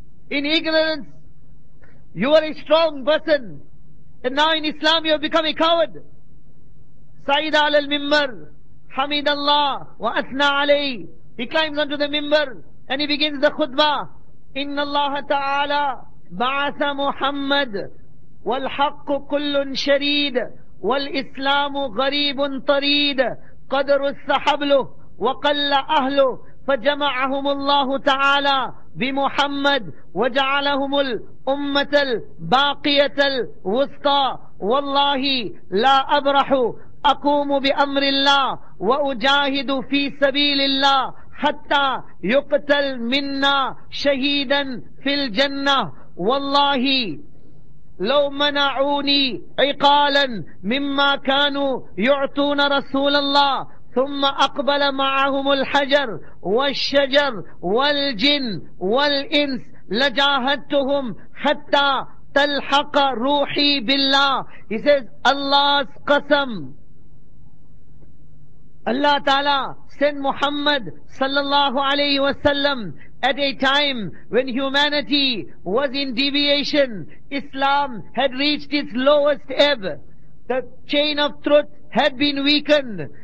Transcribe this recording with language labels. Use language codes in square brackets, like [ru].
[en] In ignorance, you are a strong person. And now in Islam you have become a coward. Sayyida alal mimbar, hamidallah wa athna alayhi. He climbs onto the mimbar and he begins the khutbah. [ar] Inna Allah ta'ala بعث محمد والحق كل شريد والإسلام غريب طريد قد رث حبله وقل أهله فجمعهم الله تعالى بمحمد وجعلهم الأمة الباقية الوسطى والله لا أبرح أقوم بأمر الله وأجاهد في سبيل الله حتى يقتل منا شهيدا في الجنة والله لو منعوني عقالا مما كانوا يعطون رسول الله ثم أقبل معهم الحجر والشجر والجن والإنس لجاهدتهم حتى تلحق روحي بالله. [en] He says, Allah's قسم, Allah Ta'ala send Muhammad sallallahu alayhi wa sallam at a time when humanity was in deviation. Islam had reached its lowest ebb. The chain of truth had been weakened.